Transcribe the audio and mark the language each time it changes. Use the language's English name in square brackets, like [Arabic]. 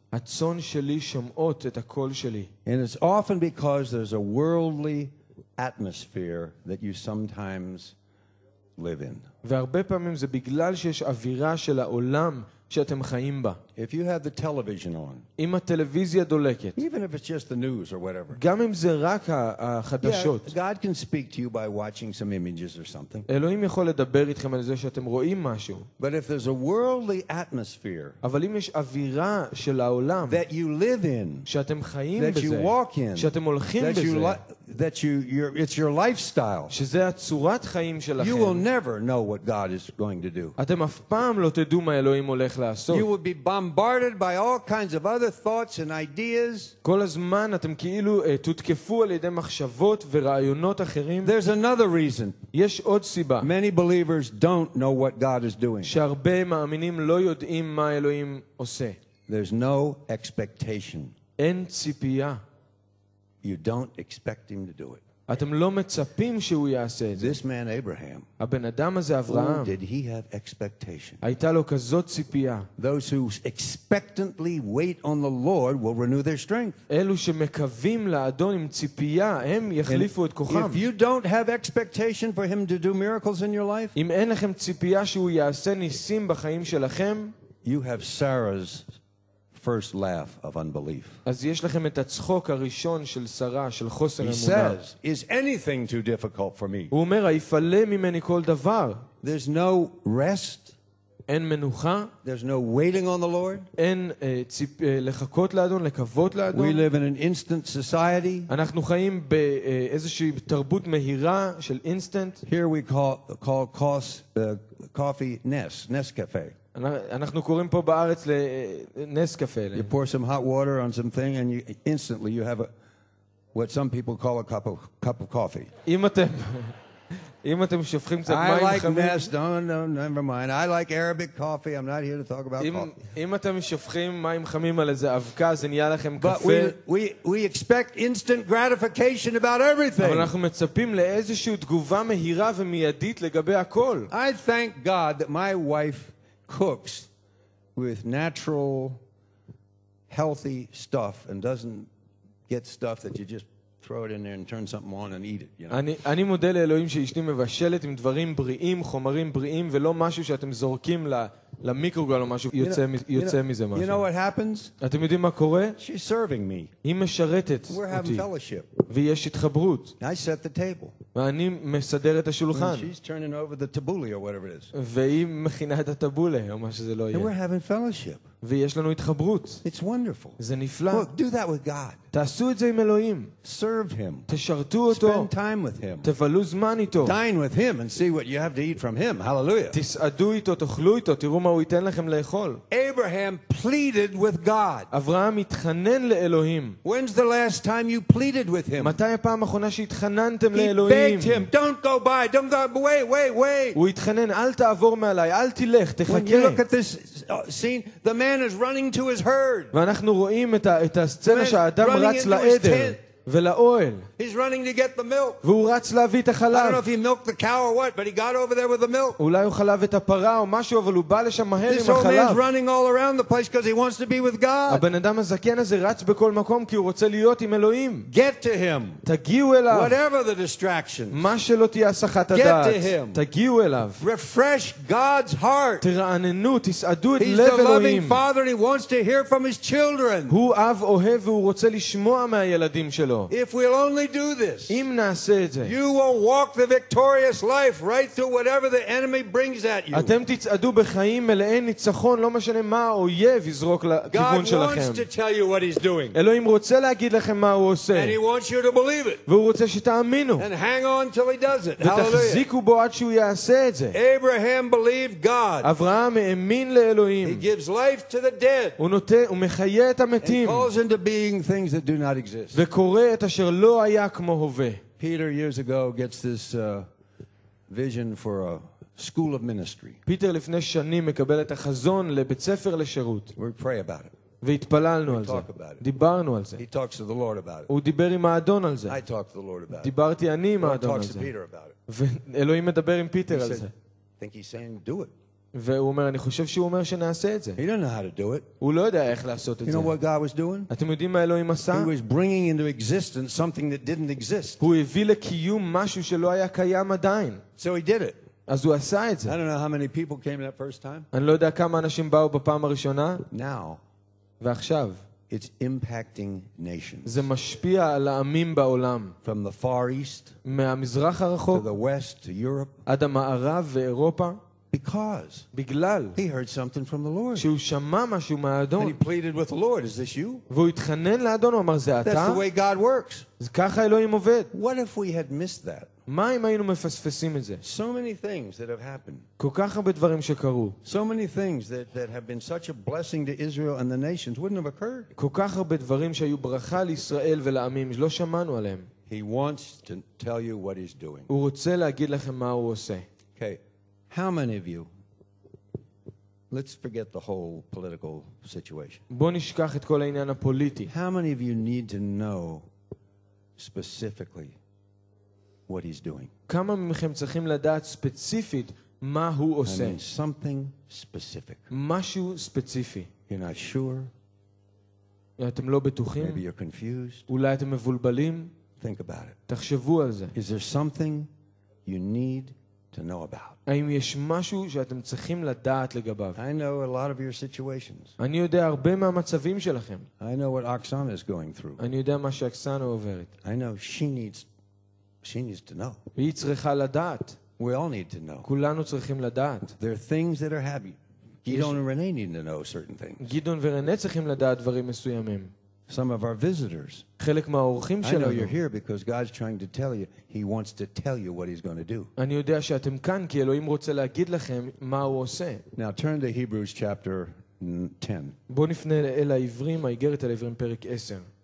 [Hebrew] הצון שלי שומעות את הקול שלי. [English] And it's often because there's a worldly atmosphere that you sometimes live in. [Hebrew] והרבה פעמים זה בגלל שיש אווירה של העולם שאתם חיים בה. [English] If you have the television on. [Hebrew] אם הטלוויזיה דולקת. [English] Even if it's just the news or whatever. [Hebrew] גם אם זה רק החדשות. [English] Yeah, God can speak to you by watching some images or something. [Hebrew] אלוהים יכול לדבר איתכם על זה שאתם רואים משהו. [English] But if there's a worldly atmosphere. [Hebrew] אבל אם יש אווירה של העולם. [English] That you live in. [Hebrew] שאתם חיים בזה. [English] That you walk in. [Hebrew] שאתם הולכים בזה. [English] It's your lifestyle. [Hebrew] שזה הצורת חיים שלכם. [English] You will never know what God is going to do. [Hebrew] אתם אף פעם לא תדעו מה אלוהים הולך לעשות. [English] You will be bombarded by all kinds of other thoughts and ideas. [Hebrew] כל הזמן אתם כאילו תותקפו על ידי מחשבות ורעיונות אחרים. [English] There's another reason. [Hebrew] יש עוד סיבה. [English] Many believers don't know what God is doing. [Hebrew] שהרבה מאמינים לא יודעים מה אלוהים עושה. [English] There's no expectation. [Hebrew] אין ציפייה. [English] You don't expect him to do it. [Hebrew] אתם לא מצפים שהוא יעשה את זה. [English] This man Abraham. [Hebrew] הבן אדם הזה אברהם. [English] Did he have expectation? [Hebrew] הייתה לו כזאת ציפייה. [English] Those who expectantly wait on the Lord will renew their strength. [Hebrew] אלו שמקווים לאדון עם ציפייה, הם יחליפו את כוחם. [English] If you don't have expectation for him to do miracles in your life? [Hebrew] אם אין לכם ציפייה שהוא יעשה ניסים בחיים שלכם, [English] you have Sarah's first laugh of unbelief. [Hebrew] אז יש לכם את הצחוק הראשון של שרה, של חוסר אמונה. [English] He says, is anything too difficult for me? [Hebrew] הוא אומר, היפלא ממני כל דבר. [English] There's no rest. [Hebrew] אין מנוחה. [English] There's no waiting on the Lord. [Hebrew] אין לחכות לאדון, לקוות לאדון. [English] We live in an instant society. [Hebrew] אנחנו חיים באיזושהי תרבות מהירה של instant. [English] Here we call coffee Nescafe. [Hebrew] אנחנו קוראים פה בארץ לנס קפה. [English] You pour some hot water on something and instantly you have what some people call a cup of coffee. [Hebrew] אם אתם שופכים קצת מים חמים. [English] I like Nes, no, never mind. I like Arabic coffee. I'm not here to talk about coffee. [Hebrew] אם אתם שופכים מים חמים על איזה אבקה, זה נהיה לכם קפה. [English] But we expect instant gratification about everything. [Hebrew] אבל אנחנו מצפים לאיזושהי תגובה מהירה ומיידית לגבי הכל. [English] I thank God that my wife cooks with natural healthy stuff and doesn't get stuff that you just throw it in there and turn something on and eat it, you know. [Hebrew] אני מודה לאלוהים שאשתי מבשלת עם דברים בריאים, חומרים בריאים, ולא משהו שאתם זורקים למיקרוגל או משהו יוצא מזה משהו. [English] You know what happens? [Hebrew] אתם יודעים מה קורה? [English] She's serving me. [Hebrew] היא משרתת אותי. [English] We're having fellowship. [Hebrew] ויש התחברות. [English] I set the table. [Hebrew] ואני מסדר את השולחן. [English] She's turning over the tabbouleh or whatever it is. [Hebrew] והיא מכינה את הטבולה או מה שזה לא יהיה. [English] We're having fellowship. [Hebrew] ויש לנו התחברות. [English] It's wonderful. [Hebrew] זה נפלא. [English] Look, do that with God. [Hebrew] תעשו את זה עם אלוהים. [English] Serve him. [Hebrew] תשרתו אותו. [English] Spend time with him. [Hebrew] תבלו זמן איתו. [English] Dine with him and see what you have to eat from him. Hallelujah. [Hebrew] תסעדו איתו, תאכלו איתו, תראו מה הוא ייתן לכם לאכול. [English] Abraham pleaded with God. [Hebrew] אברהם התחנן לאלוהים. [English] When's the last time you pleaded with him? [Hebrew] מתי הפעם האחרונה שהתחננתם לאלוהים? [English] He begged him, don't go by, don't go by, wait. [Hebrew] הוא התחנן, אל תעבור מעליי, אל תלך, תחכה. [English] When you look at this scene, the man is running to his herd. [Hebrew] ואנחנו רואים את הסצנה שהאדם רץ לעדר. ולאוהל. [English] He's running to get the milk. [Hebrew] והוא רץ להביא את החלב. [English] I don't know if he milked the cow or what, but he got over there with the milk. [Hebrew] אולי הוא חלב את הפרה או משהו, אבל הוא בא לשם מהר עם החלב. [English] This old man's running all around the place because he wants to be with God. [Hebrew] הבן אדם הזקן הזה רץ בכל מקום כי הוא רוצה להיות עם אלוהים. [English] Get to him. [Hebrew] תגיעו אליו. [English] Whatever the distraction. [Hebrew] מה שלא תהיה הסחת הדעת. [English] Get to him. [Hebrew] תגיעו אליו. [English] Refresh God's heart. [Hebrew] תרעננו, תסעדו את [English] He's [Hebrew] לב אלוהים. [English] He's the loving father and he wants to hear from his children. [Hebrew] הוא אב אוהב והוא רוצה לשמוע מהילדים שלו. [English] If we'll only do this, [Hebrew] אם נעשה את זה, [English] you will walk the victorious life right through whatever the enemy brings at you. [Hebrew] אתם תצעדו בחיים מלאי ניצחון, לא משנה מה האויב יזרוק לכיוון שלכם. [English] God wants to tell you what he's doing. [Hebrew] אלוהים רוצה להגיד לכם מה הוא עושה. [English] And he wants you to believe it. [Hebrew] והוא רוצה שתאמינו. [English] And hang on till he does it. Hallelujah. [Hebrew] ותחזיקו בו עד שהוא יעשה את זה. [English] Abraham believed God. [Hebrew] אברהם האמין לאלוהים. [English] He gives life to the dead. [Hebrew] הוא מחיה את המתים. [English] And calls into being things that do not exist. Peter years ago gets this vision for a school of ministry. [Hebrew] Peter לפני שנים מקבל את החזון לבית ספר לשירות. [English] We pray about it. [Hebrew] והתפללנו על זה. דיברנו על זה. [English] He talks to the Lord about it. [Hebrew] הוא דיבר עם האדון על זה. [English] I talk to the Lord about it. [Hebrew] דיברתי אני עם האדון על זה. [English] He talks to Peter about it. [Hebrew] ואלוהים מדבר עם פיטר על זה. [English] Think he's saying do it. [Hebrew] והוא אומר, אני חושב שהוא אומר שנעשה את זה. [English] He didn't know how to do it. [Hebrew] הוא לא יודע איך לעשות את זה. [English] You know what God was doing? [Hebrew] אתם יודעים מה אלוהים עשה? [English] He was bringing into existence something that didn't exist. [Hebrew] הוא הביא לקיום משהו שלא היה קיים עדיין. [English] So he did it. [Hebrew] אז הוא עשה את זה. [English] I don't know how many people came that first time. [Hebrew] אני לא יודע כמה אנשים באו בפעם הראשונה. [English] Now. [Hebrew] ועכשיו. [English] It's impacting nations. [Hebrew] זה משפיע על העמים בעולם. [English] From the far east. [Hebrew] מהמזרח הרחוק. [English] To the west, to Europe. [Hebrew] עד המערב ואירופה. [English] Because [Hebrew] בגלל [English] he heard something from the Lord. [Hebrew] שהוא שמע משהו מהאדון. [English] And he pleaded with the Lord, is this you? [Hebrew] והוא התחנן לאדון, אמר, זה אתה? [English] That's the way God works. [Hebrew] אז ככה אלוהים עובד. [English] What if we had missed that? [Hebrew] מה אם היינו מפספסים את זה? [English] So many things that have happened. [Hebrew] כל כך הרבה דברים שקרו. [English] So many things that have been such a blessing to Israel and the nations wouldn't have occurred. [Hebrew] כל כך הרבה דברים שהיו ברכה לישראל ולעמים, לא שמענו עליהם. [English] He wants to tell you what he's doing. [Hebrew] הוא רוצה להגיד לכם מה הוא עושה. [English] Okay. How many of you let's forget the whole political situation. [Hebrew] בוא נשכח את כל העניין הפוליטי. [English] How many of you need to know specifically what he's doing? [Hebrew] כמה מכם צריכים לדעת ספציפית מה הוא עושה? [English] Something specific. [Hebrew] משהו ספציפי. [English] You're not sure? [Hebrew] אתם לא בטוחים? [English] Maybe you're confused? [Hebrew] אולי אתם מבולבלים? [English] Think about it. [Hebrew] תחשבו על זה. [English] Is there something you need to know about? [Hebrew] האם יש משהו שאתם צריכים לדעת לגביו? [English] I know a lot of your situations. [Hebrew] אני יודע הרבה מהמצבים שלכם. [English] I know what Oksana is going through. [Hebrew] אני יודע מה שאוקסנה עוברת. [English] I know she needs to know. [Hebrew] היא צריכה לדעת. [English] We all need to know. [Hebrew] כולנו צריכים לדעת. [English] There are things that are heavy. Gidon and Renee need to know certain things. [Hebrew] גידון ורנה צריכים לדעת דברים מסוימים. [English] Some of our visitors. [Hebrew] חלק מהאורחים שלנו. [English] I know you're here because God's trying to tell you. He wants to tell you what he's going to do. [Hebrew] אני יודע שאתם כאן כי אלוהים רוצה להגיד לכם מה הוא עושה. [English] Now turn to Hebrews chapter 10. [Hebrew] בוא נפנה אל העברים, האיגרת אל העברים פרק 10.